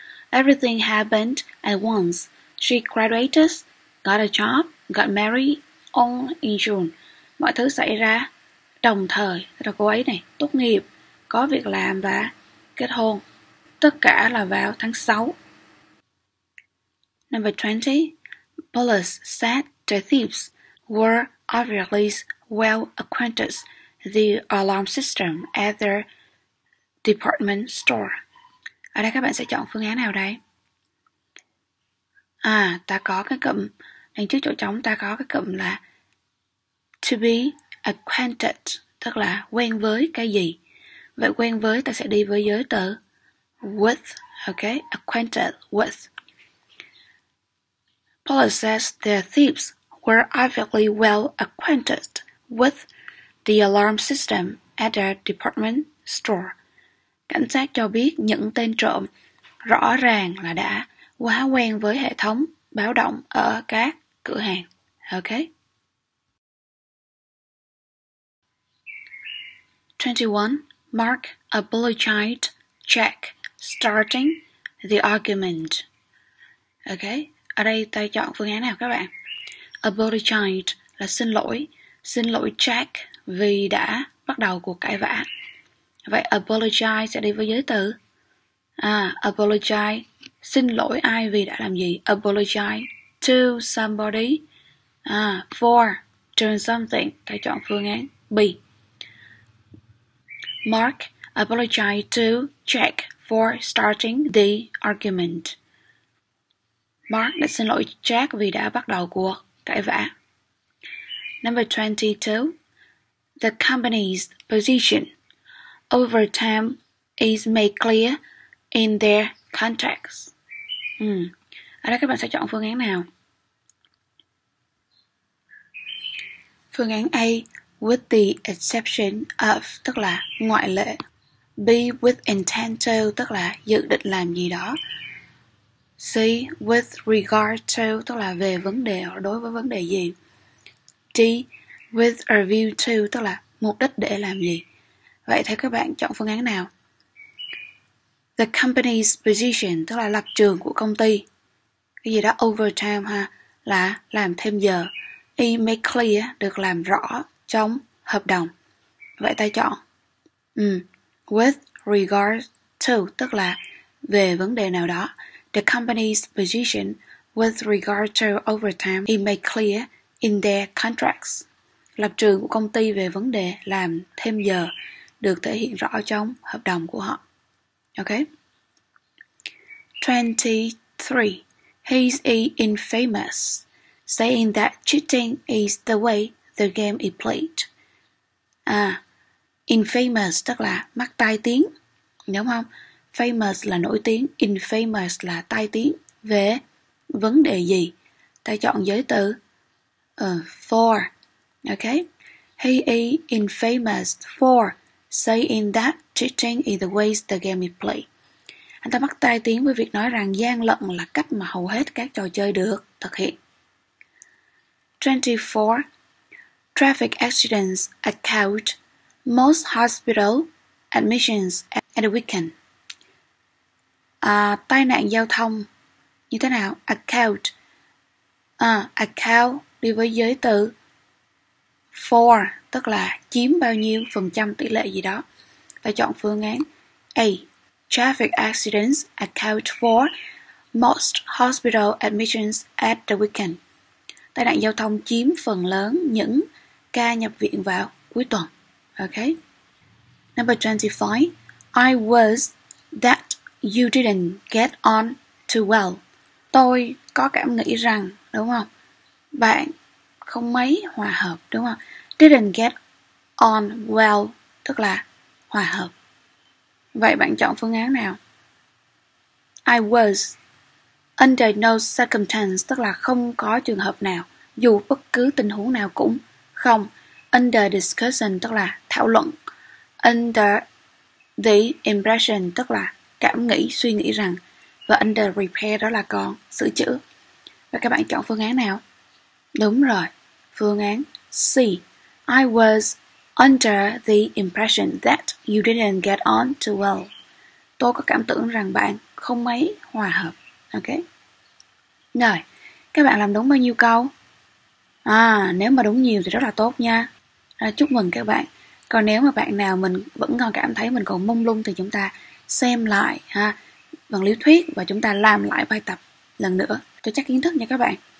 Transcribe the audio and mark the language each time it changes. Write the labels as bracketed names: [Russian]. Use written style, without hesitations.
[English] Everything happened at once. She graduated, got a job, got married on in June. [Vietnamese] Mọi thứ xảy ra đồng thời. Rồi cô ấy này, tốt nghiệp, có việc làm và kết hôn. Tất cả là vào tháng 6. [English] Number 20. Police said the thieves were obviously well acquainted the alarm system at their department store. [Vietnamese] Ở đây các bạn sẽ chọn phương án nào đây? À, ta có cái cụm đằng trước chỗ trống, ta có cái cụm là [English] to be acquainted, [Vietnamese] tức là quen với cái gì. Vậy quen với ta sẽ đi với giới từ [English] with, okay? Acquainted with. Police says their thieves were obviously well acquainted with the alarm system at their department store. [Vietnamese] Cảnh sát cho biết những tên trộm rõ ràng là đã quá quen với hệ thống báo động ở các cửa hàng. [English] Ok. 21. Mark apologized Jack starting the argument. Ok. [Vietnamese] Ở đây ta chọn phương án nào các bạn? Apologize là xin lỗi. Xin lỗi Jack vì đã bắt đầu cuộc cãi vã. Vậy apologize sẽ đi với giới từ. À, apologize. Xin lỗi ai vì đã làm gì? [English] Apologize to somebody. À, for doing something. [Vietnamese] Ta chọn phương án B. [English] Mark apologize to Jack for starting the argument. [Vietnamese] Mark đã xin lỗi Jack vì đã bắt đầu cuộc cãi vã. [English] Number 22. The company's position over time is made clear in their contracts. [Vietnamese] Ở đây các bạn sẽ chọn phương án nào? Phương án A, [English] with the exception of, [Vietnamese] tức là ngoại lệ. B, [English] with intent to, [Vietnamese] tức là dự định làm gì đó. C, [English] with regard to, [Vietnamese] tức là về vấn đề hoặc đối với vấn đề gì. D, [English] with a view to, [Vietnamese] tức là mục đích để làm gì. Vậy thì các bạn chọn phương án nào? [English] The company's position, [Vietnamese] tức là lập trường của công ty. Cái gì đó overtime ha, là làm thêm giờ. E, [English] make clear, [Vietnamese] được làm rõ trong hợp đồng. Vậy ta chọn [English] with regard to, [Vietnamese] tức là về vấn đề nào đó. [English] The company's position with regard to overtime, it made clear in their contracts. [Vietnamese] Lập trường của công ty về vấn đề làm thêm giờ được thể hiện rõ trong hợp đồng của họ. [English] Okay. 23. He's infamous, saying that cheating is the way the game is played. [Vietnamese] À, infamous tức là mắc tai tiếng, đúng không? Famous là nổi tiếng, infamous là tai tiếng. Về vấn đề gì? Ta chọn giới từ for. Okay. [English] He is infamous for saying that cheating is the way the game is played. [Vietnamese] Anh ta mắc tai tiếng với việc nói rằng gian lận là cách mà hầu hết các trò chơi được thực hiện. 24. [English] Traffic accidents account most hospital admissions at the weekend. [Vietnamese] À, tai nạn giao thông như thế nào? Account. À, account đi với giới từ for, tức là chiếm bao nhiêu phần trăm tỷ lệ gì đó. Ta chọn phương án A. [English] Traffic accidents account for most hospital admissions at the weekend. [Vietnamese] Tai nạn giao thông chiếm phần lớn những ca nhập viện vào cuối tuần. [English] Okay. Number 25. I was that you didn't get on too well. [Vietnamese] Tôi có cảm nghĩ rằng, đúng không? Bạn không mấy hòa hợp, đúng không? [English] Didn't get on well, [Vietnamese] tức là hòa hợp. Vậy bạn chọn phương án nào? [English] I was under no circumstance, [Vietnamese] tức là không có trường hợp nào, dù bất cứ tình huống nào cũng không. [English] Under discussion, [Vietnamese] tức là thảo luận. [English] Under the impression, [Vietnamese] tức là cảm nghĩ, suy nghĩ rằng. Và [English] under repair, [Vietnamese] đó là còn sửa chữa. Và các bạn chọn phương án nào? Đúng rồi, phương án C. [English] I was under the impression that you didn't get on too well. [Vietnamese] Tôi có cảm tưởng rằng bạn không mấy hòa hợp. Okay. Rồi, các bạn làm đúng bao nhiêu câu? À, nếu mà đúng nhiều thì rất là tốt nha. À, chúc mừng các bạn. Còn nếu mà bạn nào mình vẫn còn cảm thấy mình còn mông lung thì chúng ta xem lại ha, bằng lý thuyết và chúng ta làm lại bài tập lần nữa cho chắc kiến thức nha các bạn.